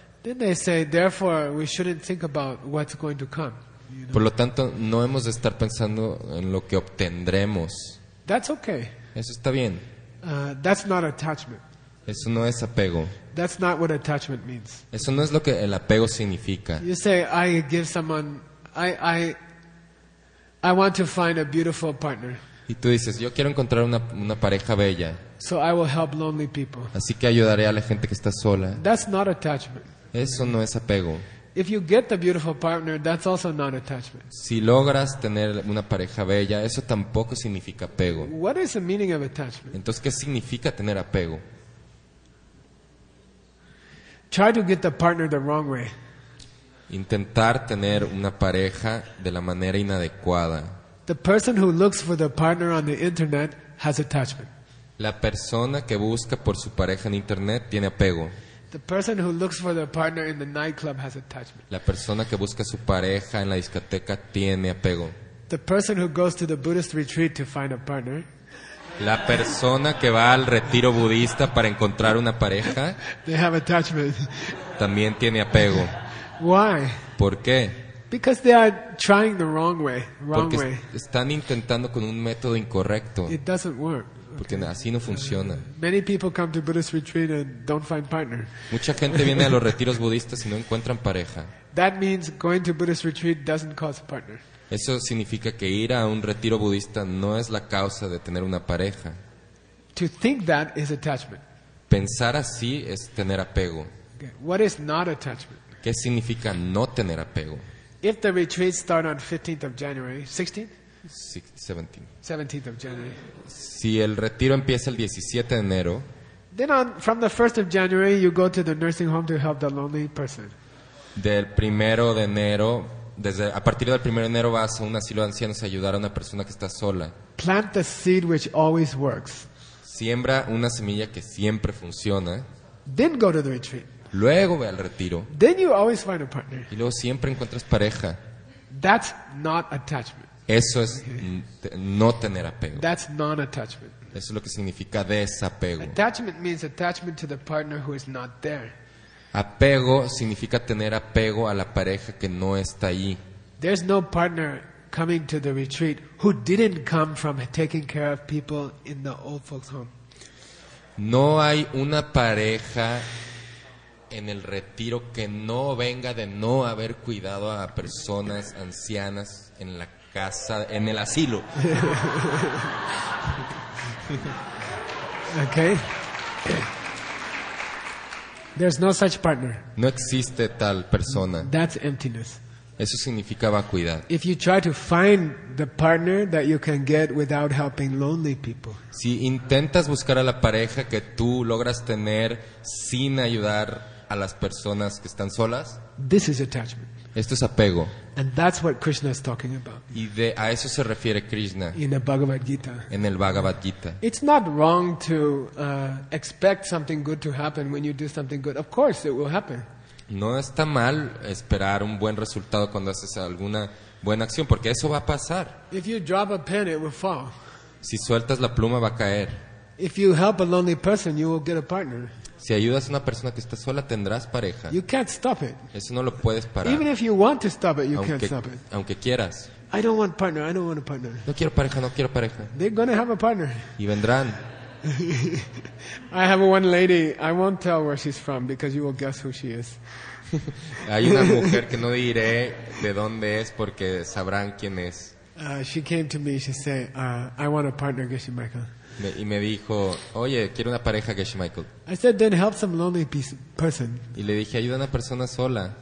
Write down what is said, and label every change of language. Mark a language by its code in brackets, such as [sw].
[en] Then they say, therefore, we shouldn't think about what's going to come. [es] Por lo tanto, no hemos de estar pensando en lo que obtendremos. [en] That's okay. [es] Eso está bien. [en] That's not attachment. [es] Eso no es apego. [en] That's not what attachment means. [es] Eso no es lo que el apego significa. [en] You say I give someone I want to find a beautiful partner. [es] Y tú dices, yo quiero encontrar una pareja bella. [en] So I will help lonely people. [es] Así que ayudaré a la gente que está sola. [en] That's not attachment. [es] Eso no es apego. [en] If you get the beautiful partner, that's also not attachment. [es] Si logras tener una pareja bella, eso tampoco significa apego. [en] What is the meaning of attachment? [es] Entonces, ¿qué significa tener apego? [en] Try to get the partner the wrong way. [es] Intentar tener una pareja de la manera inadecuada. [en] The person who looks for the partner on the internet has attachment. [es] La persona que busca por su pareja en internet tiene apego. [en] The person who looks for their partner in the nightclub has attachment. [es] La persona que busca su pareja en la discoteca tiene apego. [en] The person who goes to the Buddhist retreat to find a partner. [es] La persona que va al retiro budista para encontrar una pareja, [en] they have attachment. [es] También tiene apego. [en] Why? [es] ¿Por qué? [en] Because they are trying the wrong way. Wrong [es] Porque [en] way. [es] Están intentando con un método incorrecto. [en] It doesn't work. [es] Porque así no funciona. [en] Many people come to Buddhist retreat and don't find partner. [es] Mucha gente viene a los retiros budistas y no encuentran pareja. [en] That means going to Buddhist retreat doesn't cause a partner. [es] Eso significa que ir a un retiro budista no es la causa de tener una pareja. [en] To think that is attachment. [es] Pensar así es tener apego. [en] Okay. What is not attachment? [es] ¿Qué significa no tener apego? [en] If the retreat starts on 15th of January, 16th? 17th of January. [es] Si el retiro empieza el 17 de enero, [en] then on, from the 1st of January you go to the nursing home to help the lonely person. [es] Del primero de enero, a partir del primero de enero vas a un asilo de ancianos a ayudar a una persona que está sola. [en] Plant the seed which always works. [es] Siembra una semilla que siempre funciona. [en] Then go to the retreat. [es] Luego ve al retiro. [en] Then you always find a partner. [es] Y luego siempre encuentras pareja. [en] That's not attachment. [es] Eso es no tener apego. [en] That's non-attachment. [es] Eso es lo que significa desapego. [en] Attachment means attachment to the partner who is not there. [es] Apego significa tener apego a la pareja que no está ahí. [en] There's no partner coming to the retreat who didn't come from taking care of people in the old folks' home. [es] No hay una pareja en el retiro que no venga de no haber cuidado a personas ancianas en la casa, en el asilo. [en] Okay. There's no such partner. [es] No existe tal persona. [en] That's emptiness. [es] Eso significa vacuidad. [en] If you try to find the partner that you can get without helping lonely people. [es] Si intentas buscar a la pareja que tú logras tener sin ayudar a las personas que están solas. [en] This is attachment. [es] Esto es apego. [en] And that's what Krishna is talking about. [es] Y de, a eso se refiere Krishna. [en] In the Bhagavad Gita. [es] En el Bhagavad Gita. [en] It's not wrong to expect something good to happen when you do something good. Of course it will happen. [es] No está mal esperar un buen resultado cuando haces alguna buena acción, porque eso va a pasar. [en] If you drop a pen, it will fall. [es] Si sueltas la pluma, va a caer. [en] If you help a lonely person, you will get a partner. [es] Si ayudas a una persona que está sola, tendrás pareja. [en] You can't stop it. [es] Eso no lo puedes parar. [en] Even if you want to stop it, you [es] aunque, [en] can't stop it. [es] Aunque quieras. [en] I don't want partner. I don't want a partner. [es] No quiero pareja. No quiero pareja. [en] They're going to have a partner. [es] Y vendrán. [en] I have one lady. I won't tell where she's from because you will guess who she is. [es] Hay una mujer que no diré de dónde es porque sabrán quién es. [en] She came to me. She said, "I want a partner, Geshe Michael." [es] Y me dijo, oye, quiero una pareja, Geshe Michael. [en] I said, then help some lonely person. [es] Y le dije, ayuda a una persona sola.